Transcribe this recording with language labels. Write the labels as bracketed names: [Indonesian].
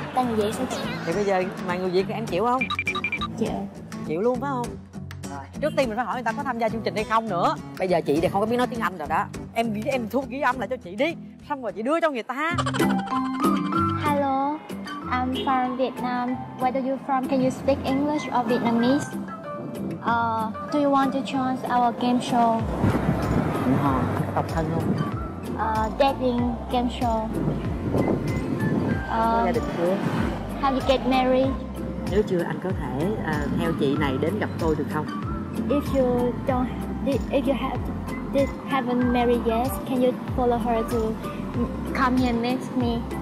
[Vietnamese] Tại người Việt sao chị? Thì bây giờ mà người Việt em chịu không? Chịu luôn phải không? Rồi. Trước tiên mình phải hỏi người ta có tham gia chương trình hay không nữa. Bây giờ chị thì không có biết nói tiếng Anh rồi đó. Em ghi, em thu ghi âm lại cho chị đi. Xong rồi chị đưa cho người ta. [English] Hello, I'm from Vietnam. Where are you from? Can you speak English or Vietnamese? Do you want to join our game show? [Vietnamese] Tập thân không? [English] Dating game show. [Vietnamese] Gia đình chưa? [English] How you get married? [Vietnamese] Nếu chưa anh có thể theo chị này đến gặp tôi được không? [English] If you don't, if you have, haven't married yet, can you follow her to come here and meet me?